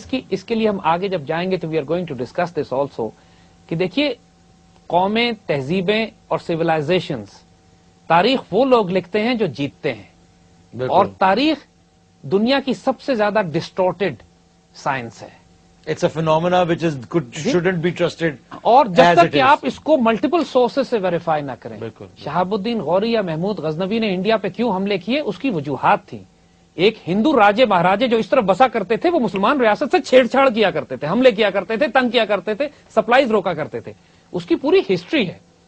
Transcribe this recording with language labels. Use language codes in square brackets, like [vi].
[ur] اس کے لیے ہم آگے جب جائیں گے تو [en] we are going to discuss this also, [ur] کہ دیکھیے قومیں, تہذیبیں اور سولازیشنز, تاریخ وہ لوگ لکھتے ہیں جو جیتتے ہیں. بالکل. اور تاریخ دنیا کی سب سے زیادہ ڈسٹورٹڈ سائنس ہے. [en] It's a phenomena which is shouldn't be trusted. [ur] اور جب تک کہ آپ اس کو ملٹیپل سورسز سے ویریفائی نہ کریں. بالکل. شہاب الدین غوری یا محمود غزنوی نے انڈیا پہ کیوں حملے کیے, اس کی وجوہات تھی. ایک ہندو راجے مہاراجے جو اس طرف بسا کرتے تھے, وہ مسلمان ریاست سے چھیڑ چھاڑ کیا کرتے تھے, حملے کیا کرتے تھے, تنگ کیا کرتے تھے, سپلائیز روکا کرتے تھے, اس کی پوری ہسٹری ہے.